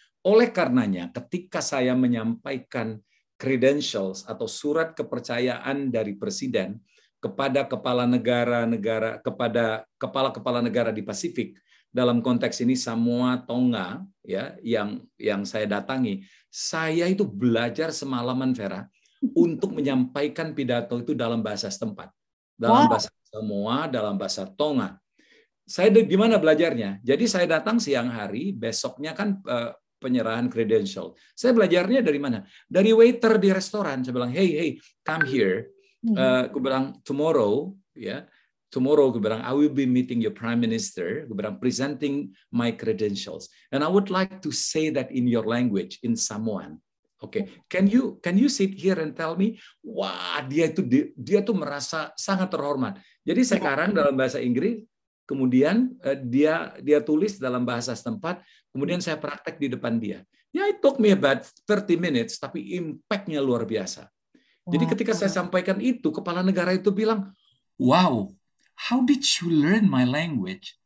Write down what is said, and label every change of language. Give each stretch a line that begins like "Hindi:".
Indonesian: Oleh karenanya, ketika saya menyampaikan credentials atau surat kepercayaan dari presiden kepada kepala negara-negara, kepada kepala-kepala negara di Pasifik, dalam konteks ini Samoa, Tonga, ya, yang saya datangi, saya itu belajar semalaman, Vera, untuk menyampaikan pidato itu dalam bahasa setempat, dalam bahasa Samoa, dalam bahasa Tonga. Saya di mana belajarnya? Jadi saya datang siang hari, besoknya kan penyerahan credential. Saya belajarnya dari mana? Dari waiter di restoran. Saya bilang,
English: hey, come here. Tomorrow, I will be meeting your prime minister.
Indonesian: Gue bilang,
English: presenting my credentials. And I would like to say that in your language, in Samoan. Okay, can you sit here and tell me?
Indonesian: Wah, dia tuh merasa sangat terhormat. Jadi sekarang dalam bahasa Inggris, kemudian dia tulis dalam bahasa setempat, kemudian saya praktek di depan dia.
English: Ya, it took me about 30 minutes,
Indonesian: tapi impact-nya luar biasa. Jadi ketika saya sampaikan itu, kepala negara itu bilang,
English: wow, how did you learn my language?